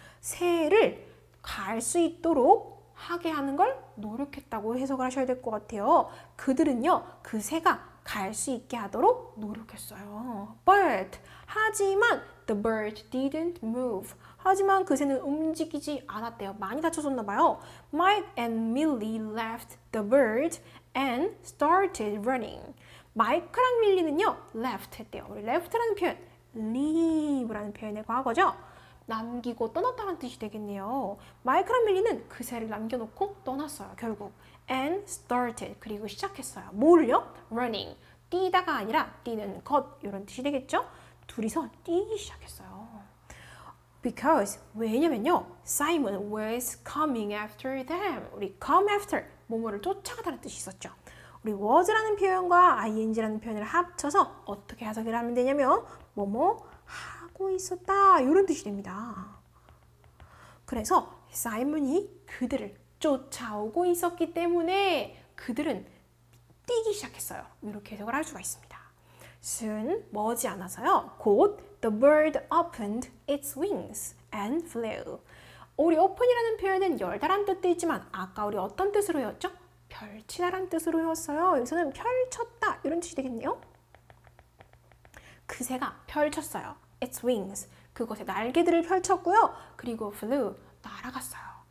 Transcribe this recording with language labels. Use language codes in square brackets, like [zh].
[ko] 새를 갈 수 있도록 하게 하는 걸 노력했다고 해석을 하셔야 될 것 같아요. 그들은요, 그 새가 갈 수 있게 하도록 노력했어요. [en] But, [ko] 하지만 [en] the bird didn't move. [ko] 하지만 그 새는 움직이지 않았대요. 많이 다쳐졌나 봐요. [en] Mike and Millie left the bird and started running. [ko] 마이크랑 밀리는요, left 했대요. 우리 left라는 표현. leave라는 표현의 과거죠. 남기고 떠났다는 뜻이 되겠네요. 마이크랑 밀리는 그 새를 남겨놓고 떠났어요. 결국 and started 그리고 시작했어요. 뭘요? running 뛰다가 아니라 뛰는 것 이런 뜻이 되겠죠. 둘이서 뛰기 시작했어요. [en] because [ko] 왜냐면요 [en] Simon was coming after them. [ko] 우리 come after 뭐뭐를 쫓아가다는 뜻이 있었죠. 우리 was라는 표현과 ing라는 표현을 합쳐서 어떻게 해석을 하면 되냐면 뭐뭐 하고 있었다 이런 뜻이 됩니다. 그래서 사이먼이 그들을 쫓아오고 있었기 때문에 그들은 뛰기 시작했어요. 이렇게 해석을 할 수가 있습니다. soon 머지않아서요. [en] 곧 the bird opened its wings and flew. [ko] 우리 open이라는 표현은 열다란 뜻도 있지만 아까 우리 어떤 뜻으로였죠? 펼치다란 뜻으로였어요. 여기서는 펼쳤다 이런 뜻이 되겠네요. 그 새가 펼쳤어요. [en] its wings. [ko] 그곳에 날개들을 펼쳤고요. 그리고 flew. 날아갔어요.